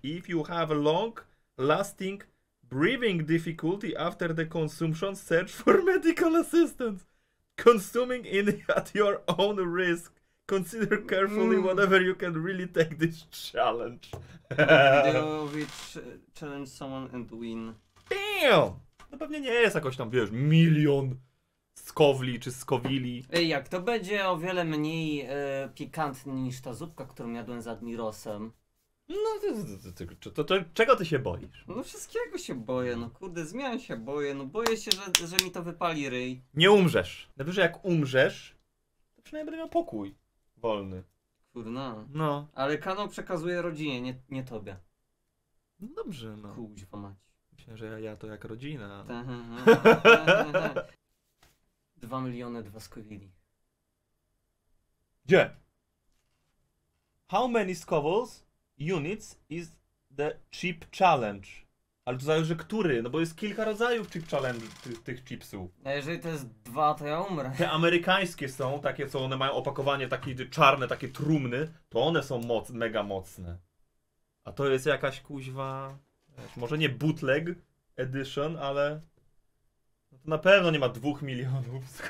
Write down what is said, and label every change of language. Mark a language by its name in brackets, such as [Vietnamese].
[English] If you have long lasting breathing difficulty after the consumption, search for medical assistance. Consuming it at your own risk. Consider carefully whatever you can really take this challenge. Video which challenge someone and win. Damn! [Polish] No pewnie nie jest jakoś tam, wiesz, milion skowli czy skowili. Ej, jak to będzie o wiele mniej pikantny niż ta zupka, którą jadłem z Admirosem. No to czego ty się boisz? No wszystkiego się boję, no kurde, zmian się boję, no boję się, że mi to wypali ryj. Nie umrzesz. Najwyżej jak umrzesz, to przynajmniej będę miał pokój. Wolny. Kurna. No. Ale kanał przekazuje rodzinie, nie tobie. No dobrze, no. Kuźwa mać. Myślę, że ja to jak rodzina. Ta, no. 2 miliony dwa skowili. Gdzie? [English] How many scovels units is the chip challenge? [Polish] Ale to zależy który, no bo jest kilka rodzajów chip challenge tych chipsów. A jeżeli to jest dwa, to ja umrę. Te amerykańskie są, takie co one mają opakowanie takie czarne, takie trumny, to one są mega mocne. A to jest jakaś kuźwa, może nie bootleg edition, ale no to na pewno nie ma 2 milionów.